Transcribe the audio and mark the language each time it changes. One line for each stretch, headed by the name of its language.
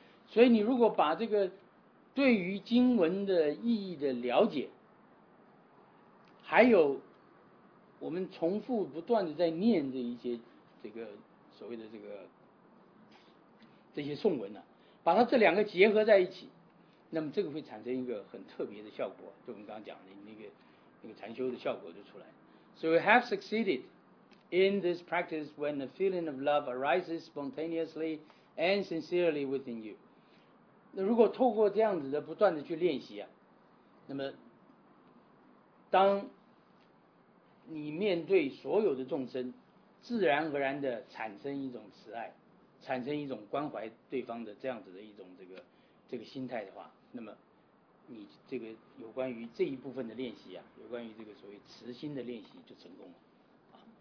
Chinese: 所以你如果把这个对于经文的意义的了解，还有我们重复不断的在念这一些这个所谓的这些颂文呢、啊，把它这两个结合在一起，那么这个会产生一个很特别的效果，就我们刚刚讲的那个禅修的效果就出来。
English: So we have succeeded in this practice when the feeling of love arises spontaneously and sincerely within you.
Chinese: 那如果透过这样子的不断的去练习啊，那么当你面对所有的众生，自然而然的产生一种慈爱，产生一种关怀对方的这样子的一种这个心态的话，那么你这个有关于这一部分的练习啊，有关于这个所谓慈心的练习就成功了啊。